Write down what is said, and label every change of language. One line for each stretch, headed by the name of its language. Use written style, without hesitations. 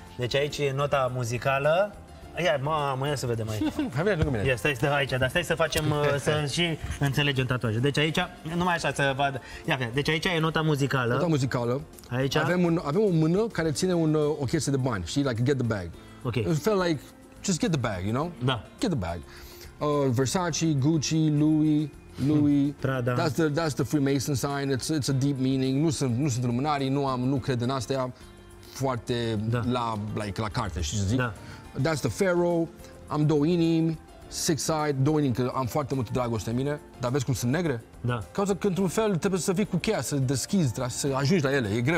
Romanian: Deci aici e nota muzicală. Ia, mamă, ia să vedem aici. Hai bine, lângă mine. Ia, stai, stai aici, dar stai să facem, să și înțelegem tatuajul. Deci aici, numai așa să vadă. Ia, deci aici e nota muzicală. Nota muzicală. Aici? Avem o mână care ține o chestie de bani, știi?
English: Like, get the bag. Ok. It felt like, just get the bag, you know?
Romanian: Da.
English: Get the bag. Versace, Gucci, Louis. Prada. That's the Freemason sign. It's a deep meaning.
Romanian: Nu sunt lumânari, nu cred în astea. Foarte da. la carte, știi ce zic? Da.
English: That's the Pharaoh.
Romanian: Am două inimi,
English: six side,
Romanian: două inimi, că am foarte multă dragoste în mine. Dar vezi cum sunt negre? Da. Cauza că într-un fel trebuie să vii cu cheia, să deschizi, să ajungi la ele.